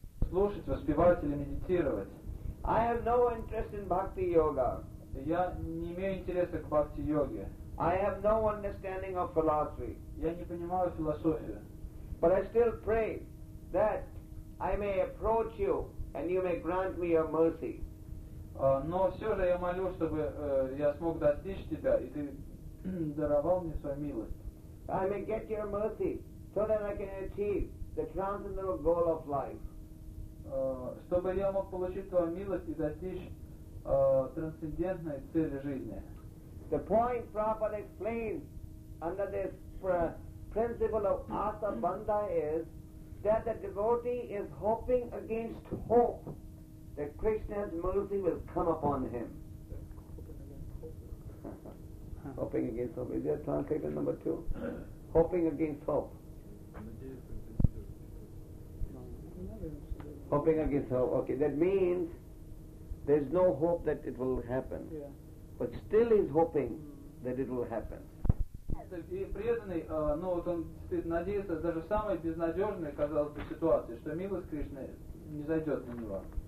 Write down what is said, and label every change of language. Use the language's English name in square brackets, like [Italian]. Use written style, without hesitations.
[Russian] Слушать, воспевать или медитировать. [English] I have no interest in bhakti yoga. [Russian] Я не имею интереса к бхакти-йоге. [English] I have no understanding of philosophy. [Russian] Я не понимаю философию. [English] But I still pray that I may approach you and you may grant me your mercy. [Russian] Но все же я молю, чтобы я смог достичь тебя, и ты даровал мне свою милость. [English] I may get your mercy so that I can achieve the transcendental goal of life. [Russian] Чтобы я мог получить твою милость и достичь трансцендентной цели жизни. [English] The point Prabhupada explains under this principle of asabandha is that the devotee is hoping against hope that Krishna's mercy will come upon him. Hoping against hope. Is there a translation number two? Hoping against hope. Hoping against hope. Okay, that means there's no hope that it will happen. Yeah. But still he's hoping that it will happen. [Russian] И преданный, ну вот он надеется даже в самой безнадежной, казалось бы, ситуации, что милость Кришны не зайдет на него.